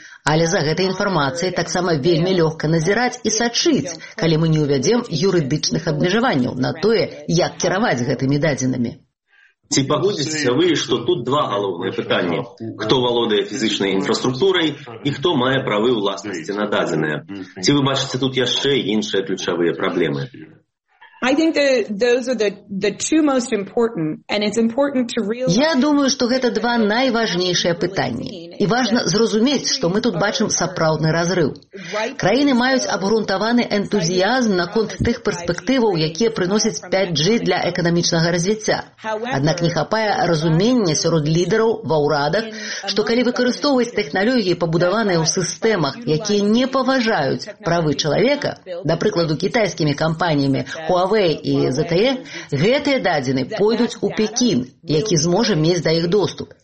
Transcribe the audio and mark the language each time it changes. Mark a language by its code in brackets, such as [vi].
[be] Але за гэтай інфармацыяй таксама вельмі лёгка назіраць і сачыць, калі мы не ўвядзем юрыдычных абмежаванняў на тое, як кіраваць гэтымі дадзенымі. Ці пагодзіцеся вы, што тут два галоўныя пытанні: хто валодае фізічнай інфраструктурай і хто мае правы ўласнасці на дадзеныя? Ці вы бачыце тут яшчэ іншыя ключавыя праблемы? [en] I think that those are the two most important, and it's important to realize. [be] Я думаю, что гэта два найважнейшыя пытанні. І важна зразумець, што мы тут бачым сапраўдны разрыў. Краіны маюць абгрунтаваны энтузіазм наконт тых перспектываў, якія прыносяць 5G для эканамічнага развіцця. Аднак не хапае разумення сярод лідараў ва ўрадах, што калі выкарыстоўваць тэхналогіі, пабудаваныя ў сістэмах, якія не паважаюць правы чалавека, да прыкладу кітайскімі кампаніямі Huawei і ZTE, гэтыя дадзены пойдуць у Пекін, які зможа мець да іх доступ.